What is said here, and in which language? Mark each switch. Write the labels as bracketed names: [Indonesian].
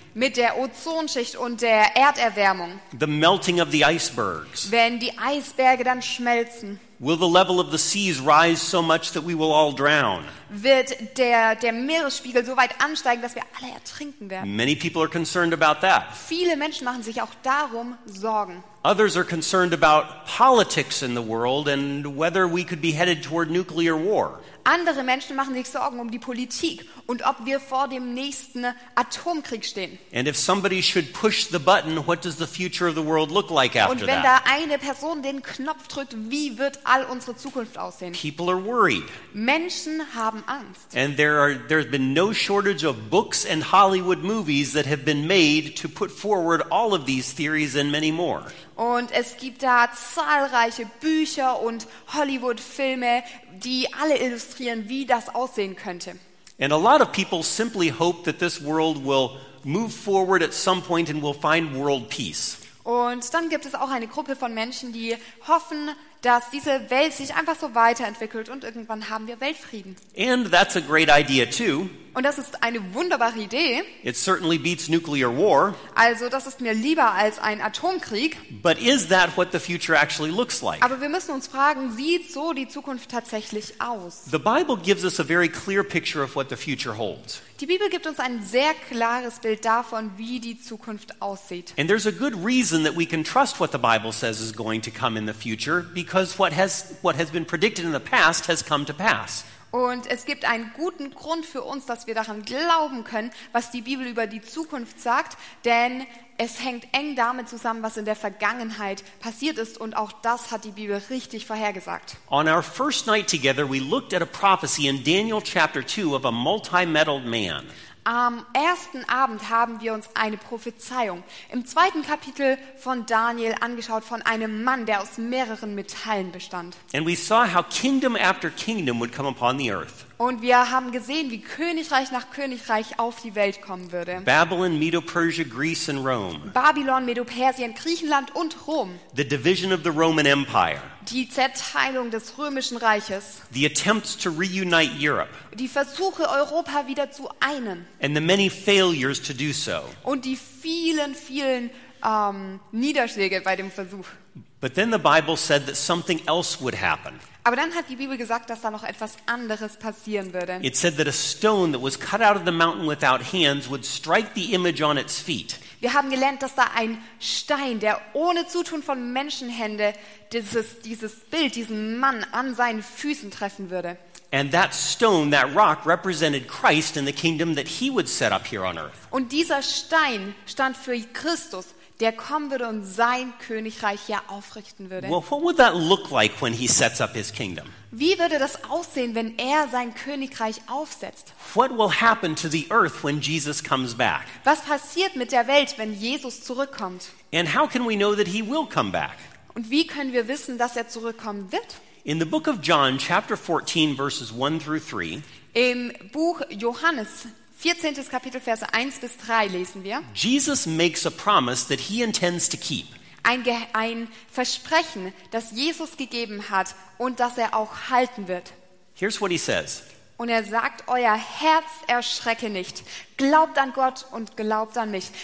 [German] Mit der Ozonschicht und der Erderwärmung. [English] The melting of the icebergs. [German] Wenn die Eisberge dann schmelzen. [English] Will the level of the seas rise so much that we will all drown? [German] Wird der Meeresspiegel so weit ansteigen, dass wir alle ertrinken werden? [English] Many people are concerned about that. [German] Viele Menschen machen sich auch darum Sorgen. [English] Others are concerned about politics in the world and whether we could be headed toward nuclear war. [German] Andere Menschen machen sich Sorgen um die Politik und ob wir vor dem nächsten Atomkrieg stehen. [English] And if somebody should push the button, what does the future of the world look like after that? [German] Und wenn da eine Person den Knopf drückt, wie wird all unsere Zukunft aussehen? [English] People are worried. [German] Menschen haben Angst. [English] And there's been no shortage of books and Hollywood movies that have been made to put forward all of these theories and many more. [German] Und es gibt da zahlreiche Bücher und Hollywood-Filme, die alle illustrieren, wie das aussehen könnte. [English] And a lot of people simply hope that this world will move forward at some point and will find world peace. [German] Und dann gibt es auch eine Gruppe von Menschen, die hoffen, dass diese Welt sich einfach so weiterentwickelt und irgendwann haben wir Weltfrieden. [English] And that's a great idea too. [German] Und das ist eine wunderbare Idee. [English] It certainly beats nuclear war. [German] Also das ist mir lieber als ein Atomkrieg. [English] But is that what the future actually looks like? [German] Aber wir müssen uns fragen, sieht so die Zukunft tatsächlich aus? [English] The Bible gives us a very clear picture of what the future holds. [German] Die Bibel gibt uns ein sehr klares Bild davon, wie die Zukunft aussieht. [English] And there's a good reason that we can trust what the Bible says is going to come in the future, because what has been predicted in the past has come to pass. [German] Und es gibt einen guten Grund für uns, dass wir daran glauben können, was die Bibel über die Zukunft sagt, denn es hängt eng damit zusammen, was in der Vergangenheit passiert ist, und auch das hat die Bibel richtig vorhergesagt. [English] On our first night together, we looked at a prophecy in Daniel chapter 2 of a multi-metalled man. [German] Am ersten Abend haben wir uns eine Prophezeiung im zweiten Kapitel von Daniel angeschaut von einem Mann, der aus mehreren Metallen bestand. [English] And we saw how kingdom after kingdom would come upon the earth. [German] Und wir haben gesehen, wie Königreich nach Königreich auf die Welt kommen würde. [English] Babylon, Medo-Persia, Greece and Rome. [German] Babylon, Medo-Persien, Griechenland und Rom. [English] The division of the Roman Empire. [German] Die Zerteilung des Römischen Reiches. [English] The attempts to reunite Europe. [German] Die Versuche, Europa wieder zu einen. [English] And the many failures to do so. [German] Und die vielen, vielen Niederschläge bei dem Versuch. [English] But then the Bible said that something else would happen. [German] Aber dann hat die Bibel gesagt, dass da noch etwas anderes passieren würde. [English] It said that a stone that was cut out of the mountain without hands would strike the image on its feet. [German] Wir haben gelernt, dass da ein Stein, der ohne Zutun von Menschenhände dieses Bild, diesen Mann an seinen Füßen treffen würde. [English] And that stone, that rock, represented Christ and the kingdom that he would set up here on earth. [German] Und dieser Stein stand für Christus, der kommen würde und sein Königreich hier aufrichten würde. [English] Well, what would that look like when he sets up his kingdom? [German] Wie würde das aussehen, wenn er sein Königreich aufsetzt? [English] What will happen to the earth when Jesus comes back? [German] Was passiert mit der Welt, wenn Jesus zurückkommt? [English] And how can we know that he will come back? [German] Und wie können wir wissen, dass er zurückkommen wird? [English] In the book of John, chapter 14, verses 1 through 3. [German] Im Buch Johannes 14. Kapitel, Verse 1 bis 3 lesen wir. [English] Jesus makes a promise that he intends to keep. [German] Ein Versprechen, das Jesus gegeben hat und das er auch halten wird. [English] Here's what he says. [German] Und er sagt, euer Herz erschrecke nicht. Glaubt an Gott und glaubt an mich.